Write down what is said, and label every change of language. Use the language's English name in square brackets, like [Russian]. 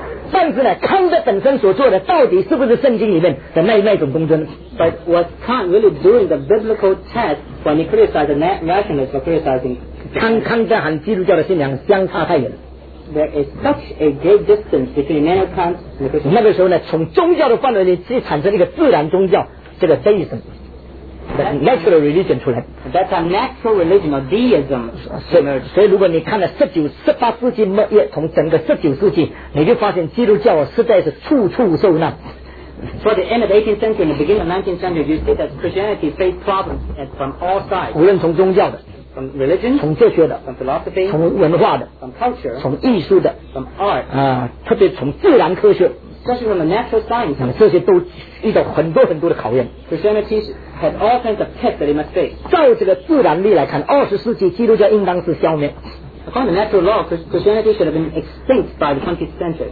[Chinese] 但是呢，康德本身所做的到底是不是圣经里面的那种工作呢 [English] ？But was Kant really doing the biblical test when he criticized the rationalists for criticizing? [Chinese] 康德和基督教的信仰相差太远。 [English] There is such a great distance between Immanuel Kant and the Christians. [Chinese] 那个时候呢，从宗教的范围里去产生一个自然宗教，这个 deism。 [English] natural religion [Chinese] 出来。 [English] That's a natural religion or deism. [Chinese] 所以如果你看了18世纪末叶，从整个19世纪，你就发现基督教实在是处处受难。 [English] For the end of the 18th century and the beginning of the 19th century, you see that Christianity faced problems from all sides. [Chinese] 无论从宗教的。 [English] From religion, [Chinese] 从哲学的 [English] from philosophy, [Chinese] 从文化的 [English] from culture, [Chinese] 从艺术的 [English] from art, [Chinese] 特别从自然科学 [English] especially from the natural science, [Chinese] 这些都遇到很多很多的考验 [English] Christianity had all kinds of tests that it must face [Chinese] 照这个自然力来看20世纪基督教应当是消灭 [English] according to natural law, Christianity should have been extinct by the 20th century